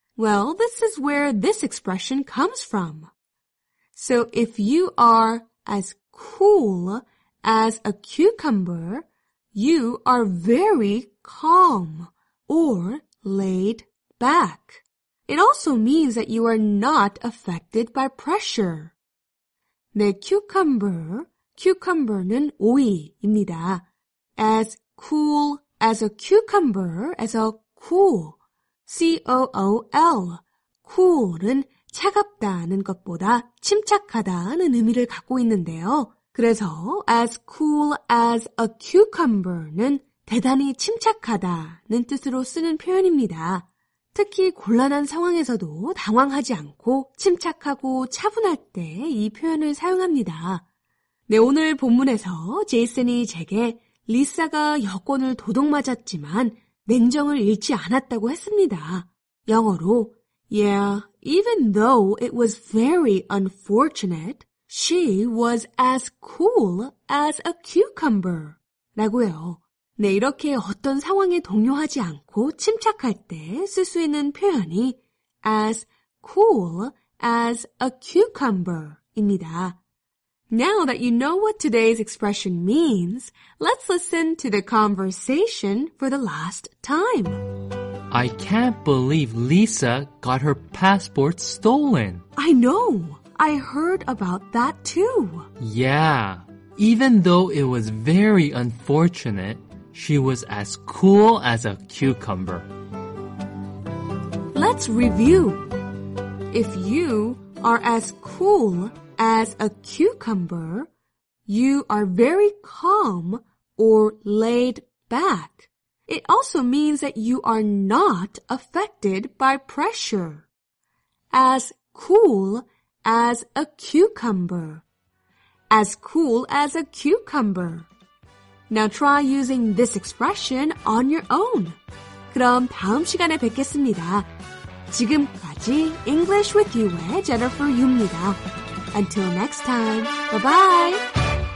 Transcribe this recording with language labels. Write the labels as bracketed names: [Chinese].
[English] Well, this is where this expression comes from. So if you are as cool as a cucumber, you are very calm or laid back. It also means that you are not affected by pressure. [Korean] 네, cucumber, cucumber는 오이입니다. [English] As cool as a cucumber, as a cool, [Korean] C-O-O-L, cool은 차갑다는 것보다 침착하다는 의미를 갖고 있는데요. 그래서 as cool as a cucumber는 대단히 침착하다는 뜻으로 쓰는 표현입니다. 특히 곤란한 상황에서도 당황하지 않고 침착하고 차분할 때 이 표현을 사용합니다. 네, 오늘 본문에서 제이슨이 제게 리사가 여권을 도둑맞았지만 냉정을 잃지 않았다고 했습니다. 영어로 [English] Yeah, even though it was very unfortunate, she was as cool as a cucumber. [Korean] 라고요. 네, 이렇게 어떤 상황에 동요하지 않고 침착할 때 쓸 수 있는 표현이 as cool as a cucumber입니다. [English] Now that you know what today's expression means, let's listen to the conversation for the last time. I can't believe Lisa got her passport stolen. I know. I heard about that too. Yeah. Even though it was very unfortunate, she was as cool as a cucumber. Let's review. If you are as cool as a cucumber, you are very calm or laid back. It also means that you are not affected by pressure. As cool as a cucumber. As cool as a cucumber. Now try using this expression on your own. [Korean] 그럼 다음 시간에 뵙겠습니다. 지금까지 English with You의 Jennifer Yu입니다. [English] Until next time, bye-bye!